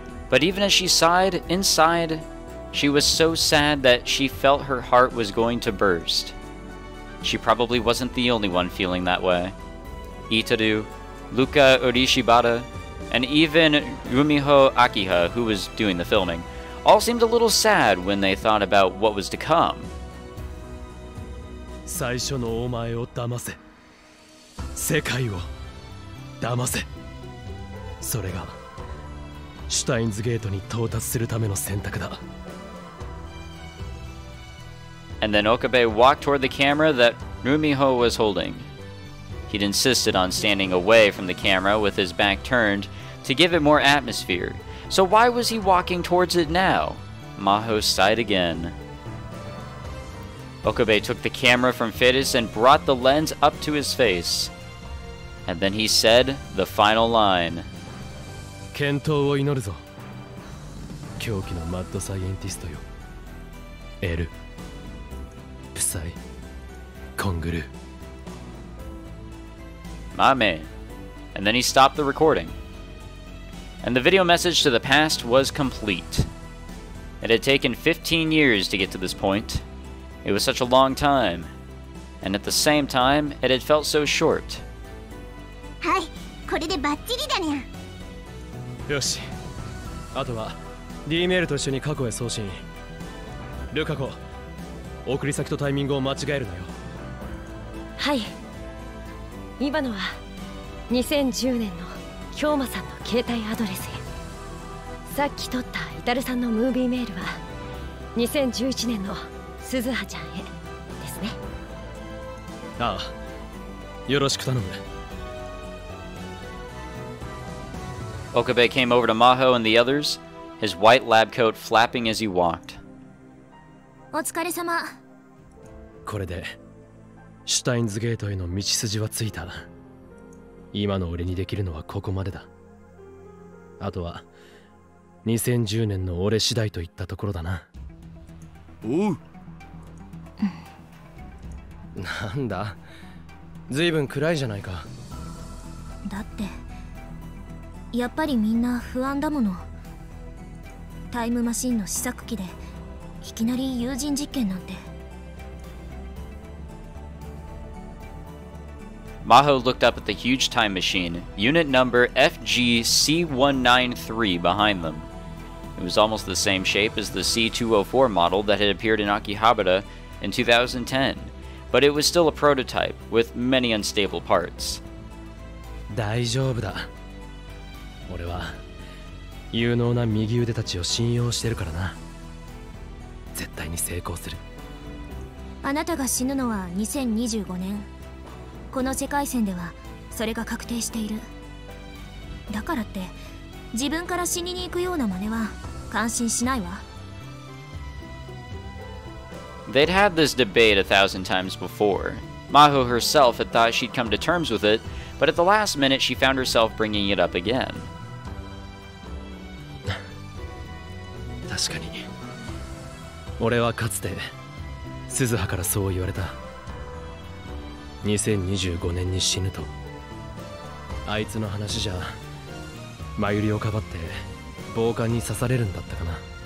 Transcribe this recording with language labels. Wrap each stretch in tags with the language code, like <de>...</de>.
<en>But even as she sighed, inside, she was so sad that she felt her heart was going to burst. She probably wasn't the only one feeling that way. Itaru, Luka Urishibata, and even Rumiho Akiha, who was doing the filming, all seemed a little sad when they thought about what was to come.</en> <ja>最初のお前を騙せ。世界を騙せ。 それがシュタインズゲートに到達するための選択だ。</ja> <en>And then Okabe walked toward the camera that Rumiho was holding. He'd insisted on standing away from the camera with his back turned to give it more atmosphere. So why was he walking towards it now? Maho sighed again. Okabe took the camera from Fetus and brought the lens up to his face. And then he said the final line.</en> <ja>健闘を祈るぞ。狂気のマッドサイエンティストよ。エル。プサイ。コングルー。</ja> <en>My man. And then he stopped the recording. And the video message to the past was complete. It had taken 15 years to get to this point. It was such a long time. And at the same time, it had felt so short.</en> <ja>はい、これでバッチリだね。よし。あとは、D メールと一緒に過去へ送信。ルカコ、送り先とタイミングを間違えるなよ。はい。今のは2010年の京馬さんの携帯アドレスへ。さっき撮ったイタルさんのムービーメールは2011年の鈴葉ちゃんへですね。ああ、よろしく頼む。</ja> <en>Okabe came over to Maho and the others, his white lab coat flapping as he walked.</en> <ja>お疲れ様。これで。シュタインズゲートへの道筋はついた。今の俺にできるのはここまでだ。あとは2010年の俺次第といったところだな。おう。なんだ、ずいぶん暗いじゃないか。だってやっぱりみんな不安だもの。タイムマシンの試作機でいきなり有人実験なんて。</ja> <en>Maho looked up at the huge time machine, unit number FGC193, behind them. It was almost the same shape as the C204 model that had appeared in Akihabara in 2010, but it was still a prototype with many unstable parts.</en> <ja>大丈夫だ。俺は有能な右腕たちを信用してるからな。絶対に成功する。あなたが死ぬのは2025年。この世界線ではそれが確定している。だからって自分から死にに行くような真似は感心しないわ。</ja> <en>They'd had this debate a thousand times before. Maho herself had thought she'd come to terms with it, but at the last minute she found herself bringing it up again.</en> <ja>確かに俺はかつて鈴葉からそう言われた。 2025年に死ぬと。あいつの話じゃ、マユリをかばって暴漢に刺されるんだったかな。</ja>